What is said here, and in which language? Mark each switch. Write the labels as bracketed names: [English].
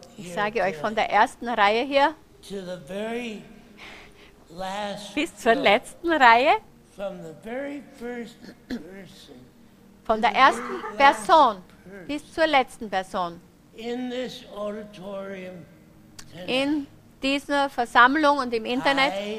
[German] Ich sage euch von der ersten Reihe hier. [English] To the very last. [German] Bis zur letzten Reihe. [English] From the very first person. [German] Von der ersten Person bis zur letzten Person. [English] In this auditorium. [German] In dieser Versammlung und im Internet.